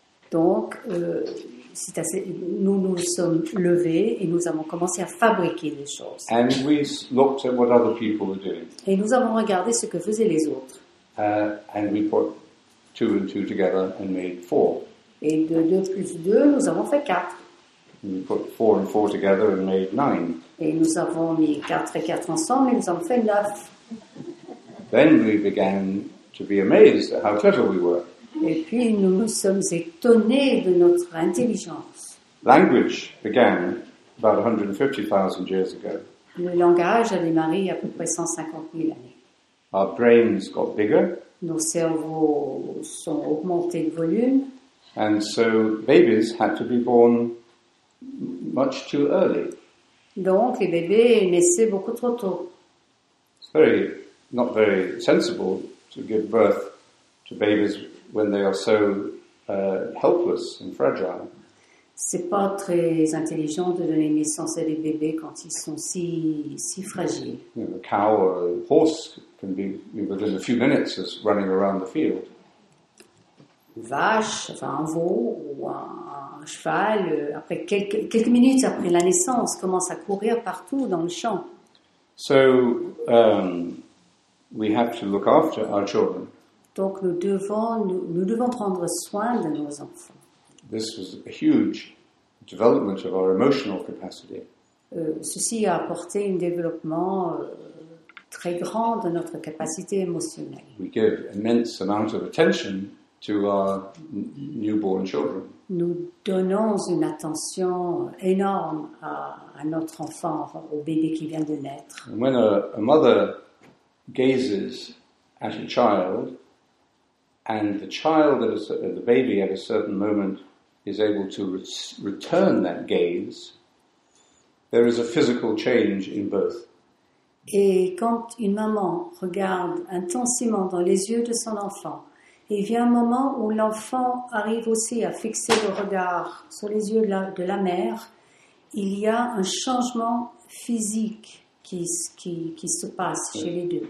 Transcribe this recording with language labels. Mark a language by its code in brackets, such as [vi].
[fr] Donc, nous sommes levés et nous avons commencé à fabriquer des choses. [en] And we looked at what other people were doing. [fr] Et nous avons regardé ce que faisaient les autres. [en] And we put 2 and 2 together and made 4. [fr] Et de 2 plus 2, nous avons fait 4. [en] And we put 4 and 4 together and made 9. [fr] Et nous avons mis 4 et 4 ensemble et nous avons fait 9. [en] Then we began to be amazed at how clever we were. [fr] Et puis nous nous sommes étonnés de notre intelligence. [en] Language began about 150,000 years ago. [fr] Le langage a démarré à peu près 150 000 années. [en] Our brains got bigger. [fr] Nos cerveaux sont augmentés de volume. [en] And so babies had to be born much too early. [fr] Donc les bébés naissaient beaucoup trop tôt. [en] It's very not very sensible to give birth to babies when they are so helpless and fragile. [fr] C'est pas très intelligent de donner naissance à des bébés quand ils sont si fragiles. [en] You know, a cow or a horse can be within a few minutes is running around the field. [fr] Vache, enfin un veau ou un cheval, après quelques minutes après la naissance, commence à courir partout dans le champ. [en] So we have to look after our children. [fr] Donc nous devons prendre soin de nos enfants. [en] This was a huge development of our emotional capacity. [fr] Ceci a apporté un développement très grand de notre capacité émotionnelle. [en] We give immense amount of attention to our newborn children. [fr] Nous donnons une attention énorme à notre enfant, au bébé qui vient de naître. [en] And when a mother gazes at a child, and the child, the baby, at a certain moment, is able to return that gaze, there is a physical change in birth. [fr] Et quand une maman regarde intensément dans les yeux de son enfant, il vient un moment où l'enfant arrive aussi à fixer le regard sur les yeux de la mère, il y a un changement physique qui se passe chez les deux.